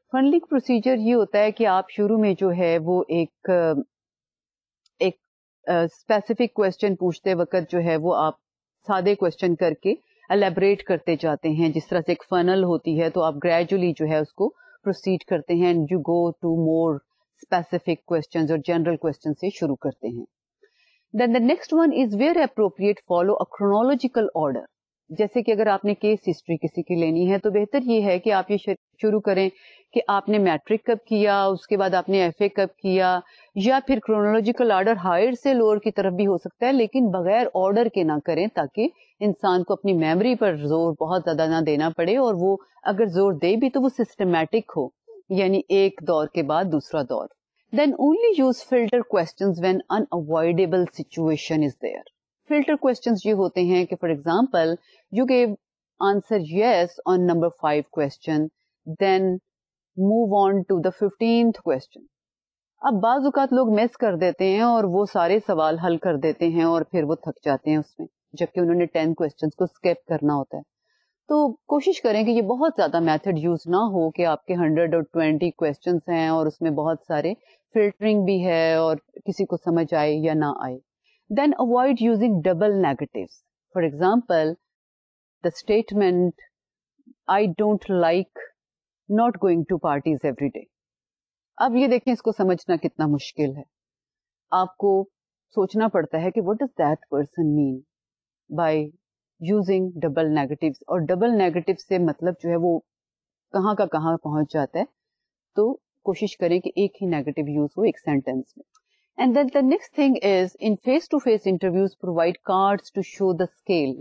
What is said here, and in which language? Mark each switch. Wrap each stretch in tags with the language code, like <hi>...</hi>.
<ur>فنلنگ procedure یہ ہوتا ہے کہ آپ شروع میں جو ہے وہ ایک اسپیسیفک کوسچن پوچھتے وقت جو ہے وہ آپ سادے کوسچن کر کے الیبریٹ کرتے جاتے ہیں, جس طرح سے ایک فنل ہوتی ہے تو آپ گریجولی جو ہے اس کو پروسیڈ کرتے ہیں</ur> <en>and you go to more specific questions</en> <ur>اور جنرل کوسچن سے شروع کرتے ہیں.</ur> <en>Then the next one is where appropriate follow a chronological order.</en> <ur>جیسے کہ اگر آپ نے کیس ہسٹری کسی کی لینی ہے تو بہتر یہ ہے کہ آپ یہ شروع کریں کہ آپ نے میٹرک کب کیا, اس کے بعد آپ نے ایف اے کب کیا, یا پھر کرونالوجیکل آرڈر ہائر سے لوور کی طرف بھی ہو سکتا ہے, لیکن بغیر آرڈر کے نہ کریں تاکہ انسان کو اپنی میموری پر زور بہت زیادہ نہ دینا پڑے, اور وہ اگر زور دے بھی تو وہ سسٹمیٹک ہو, یعنی ایک دور کے بعد دوسرا دور.</ur> <en>Then only use filter questions when unavoidable situation is there.</en> <ur>Filter questions یہ ہوتے ہیں کہ</ur> <en>For example you give answer yes on number 5 question, then move on to the 15th question.</en> <ur>اب بعض اوقات لوگ مس کر دیتے ہیں اور وہ سارے سوال حل کر دیتے ہیں اور پھر وہ تھک جاتے ہیں اس میں, جبکہ انہوں نے 10 کوسچنز کو اسکپ کرنا ہوتا ہے. تو کوشش کریں کہ یہ بہت زیادہ میتھڈ یوز نہ ہو کہ آپ کے 100 اور 20 کوسچنز ہیں اور اس میں بہت سارے فلٹرنگ بھی ہے اور کسی کو سمجھ آئے یا نہ آئے.</ur> <en>Then avoid using double negatives. For example, the statement, I don't like not going to parties every day.</en> <ur>اب یہ دیکھیں اس کو سمجھنا کتنا مشکل ہے. آپ کو سوچنا پڑتا ہے کہ</ur> <en>what does that person mean by using double negatives.</en> <ur>اور double negatives سے مطلب جو ہے وہ کہاں کا کہاں پہنچ جاتا ہے. تو کوشش کریں کہ ایک ہی negative use ہو ایک sentence میں.</ur> <en>And then the next thing is, in face-to-face interviews, provide cards to show the scale.</en>